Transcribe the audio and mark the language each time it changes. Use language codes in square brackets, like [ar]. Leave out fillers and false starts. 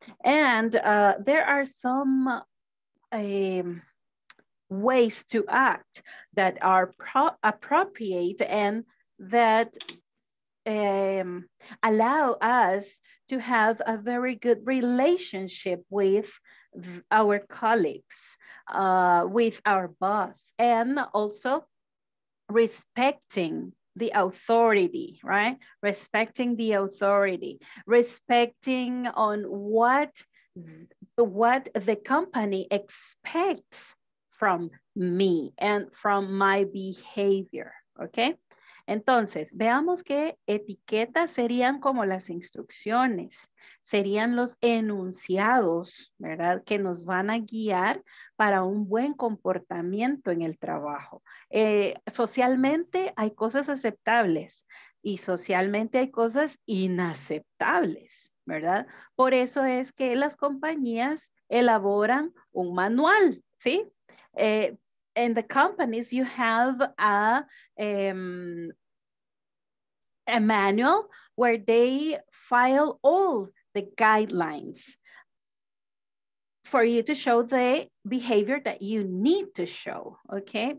[en] And there are some ways to act that are appropriate and that allow us to have a very good relationship with our colleagues, with our boss, and also respecting the authority, right? Respecting the authority, respecting on what the company expects from me and from my behavior, okay? [es] Entonces, veamos que etiquetas serían como las instrucciones, serían los enunciados, ¿verdad? Que nos van a guiar para un buen comportamiento en el trabajo. Socialmente hay cosas aceptables y socialmente hay cosas inaceptables, ¿verdad? Por eso es que las compañías elaboran un manual, ¿sí? [en] In the companies you have a manual where they file all the guidelines for you to show the behavior that you need to show, okay?